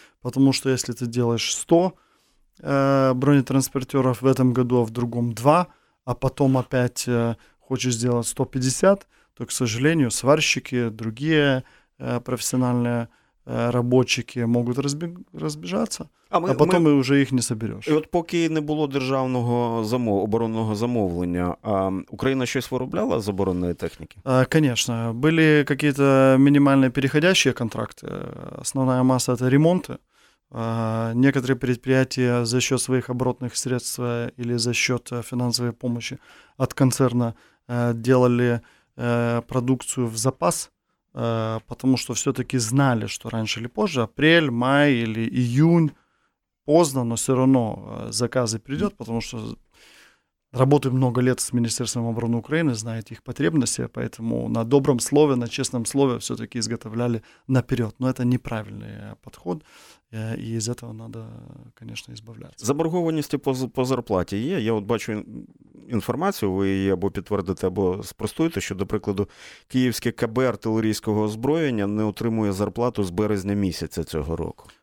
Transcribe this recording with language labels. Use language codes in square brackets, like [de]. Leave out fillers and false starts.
[ru] Потому что если ты делаешь 100 бронетранспортеров в этом году, а в другом 2 – а потом опять хочешь сделать 150, то, к сожалению, сварщики, другие профессиональные рабочики могут разбежаться, а потом уже их не соберешь. И вот [uk] поки не было державного оборонного замовлення, Украина щось виробляла з оборонної техніки? [ru] Конечно. Были какие-то минимальные переходящие контракты. Основная масса – это ремонты. Некоторые предприятия за счет своих оборотных средств или за счет финансовой помощи от концерна делали продукцию в запас, потому что все-таки знали, что раньше или позже, апрель, май или июнь, поздно, но все равно заказы придет, потому что работаю много лет с Министерством обороны Украины, знаете их потребности, поэтому на добром слове, на честном слове все-таки изготовляли наперед. Но это неправильный подход, и из этого надо, конечно, избавляться. [uk] Заборгованості по зарплаті є? Я от бачу інформацію, ви її або підтвердите, або спростуєте, що, до прикладу, Київське КБ артилерійського озброєння не отримує зарплату з березня місяця цього року.